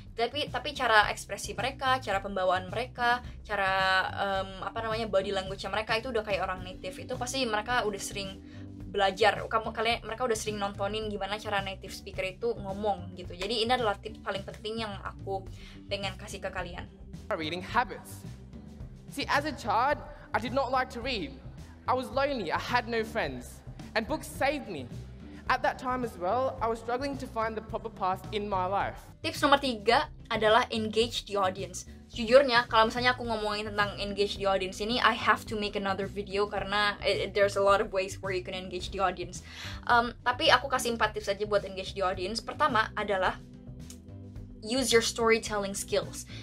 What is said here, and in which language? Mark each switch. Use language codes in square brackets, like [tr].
[id] Tapi cara ekspresi mereka, cara pembawaan mereka, cara body language mereka itu udah kayak orang native. Itu pasti mereka udah sering belajar, mereka udah sering nontonin gimana cara native speaker itu ngomong gitu. Jadi ini adalah tips paling penting yang aku pengen kasih ke kalian. [en] Reading habits. See, as a child, I did not like to read. I was lonely, I had no friends, and books saved me. At that time as well, I was struggling to find the proper path in my life. [id] Tips nomor 3 adalah engage the audience. [en] Jujurnya, kalau misalnya aku ngomongin tentang engage the audience ini, I have to make another video karena there's a lot of ways where you can engage the audience. [id] Tapi aku kasih 4 tips aja buat engage the audience. Pertama adalah use your storytelling skills.